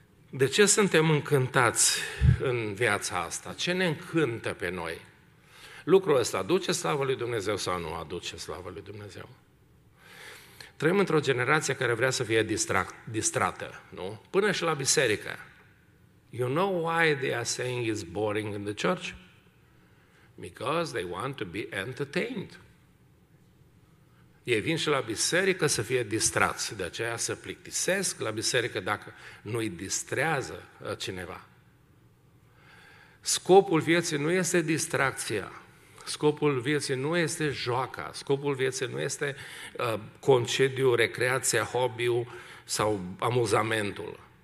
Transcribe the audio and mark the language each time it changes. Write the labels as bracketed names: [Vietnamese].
[Romanian] De ce suntem încântați în viața asta? Ce ne încântă pe noi? Lucrul ăsta aduce slavă lui Dumnezeu sau nu aduce slavă lui Dumnezeu? Trăim într-o generație care vrea să fie distrată, nu? Până și la biserică. [English] You know why they are saying it's boring in the church? Because they want to be entertained. [Romanian] Ei vin și la biserică să fie distrați, de aceea să plictisesc la biserică dacă nu îi distrează cineva. Scopul vieții nu este distracția. Scopul vieții nu este joaca, scopul vieții nu este concediu, recreația, hobby-ul sau amuzamentul.